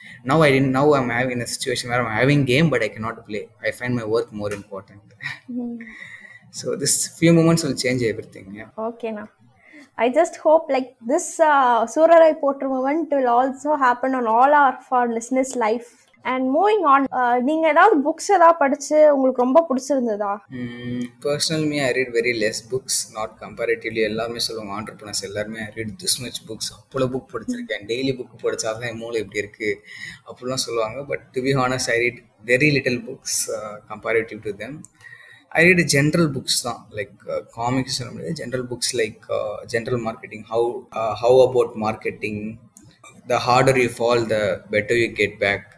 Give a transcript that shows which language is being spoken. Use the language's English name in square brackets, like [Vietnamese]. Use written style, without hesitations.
[English] Now I'm having a situation where I'm having game but I cannot play. I find my work more important. So this few moments will change everything. Yeah, okay. Now I just hope like this Surarai Potru moment will also happen on all our for listeners life. And moving on, [Tamil] நீங்க ஏதாவது books ஏதாவது படிச்சு உங்களுக்கு ரொம்ப பிடிச்சிருந்ததா? [English] Personal me, I read very less books, not comparatively. [Tamil] எல்லாருமே சொல்லுவாங்க, entrepreneurs எல்லாருமே, [English] I read this much books, [Tamil] அவ்வளோ புக் படிச்சிருக்கேன், டெய்லி புக் படித்தா தான் என் மூளை எப்படி இருக்கு அப்படிலாம் சொல்லுவாங்க. [English] But to be honest, I read very little books comparative to them. I read general books தான், like comics [Tamil] சொல்ல முடியாது, [English] General books like general marketing, how about marketing, the harder you fall the better you get back.